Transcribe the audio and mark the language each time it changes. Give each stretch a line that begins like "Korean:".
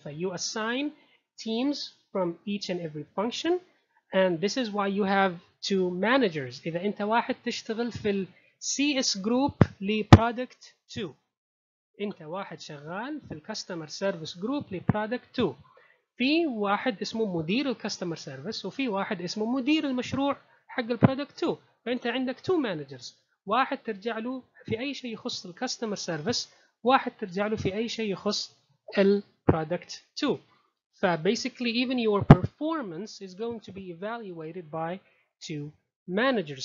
English: So you assign teams from each and every function, and this is why you have two managers.
Arabic: إذا أنت واحد تشتغل في ال CS group لproduct 2. أنت واحد شغال في الكاستمر سيرفيس جروب لبرودكت 2. في واحد اسمه مدير الكاستمر سيرفيس وفي واحد اسمه مدير المشروع حق البرودكت 2. فأنت عندك 2 مانجرز. واحد ترجع له في أي شيء يخص الكاستمر سيرفيس، واحد ترجع له في أي شيء يخص البرودكت 2.
English: فبيسكلي even your performance is going to be evaluated by 2 managers.